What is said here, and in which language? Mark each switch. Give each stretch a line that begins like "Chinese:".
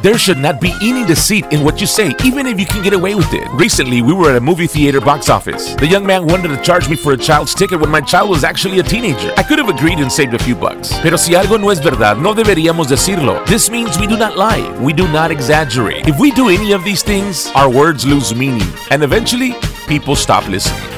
English: There should not be any deceit in what you say, even if you can get away with it. Recently, we were at a movie theater box office. The young man wanted to charge me for a child's ticket when my child was actually a teenager. I could have agreed and saved a few bucks.
Spanish: Pero si algo no es verdad, no deberíamos decirlo.
English: This means we do not lie. We do not exaggerate. If we do any of these things, our words lose meaning, and eventually, people stop listening.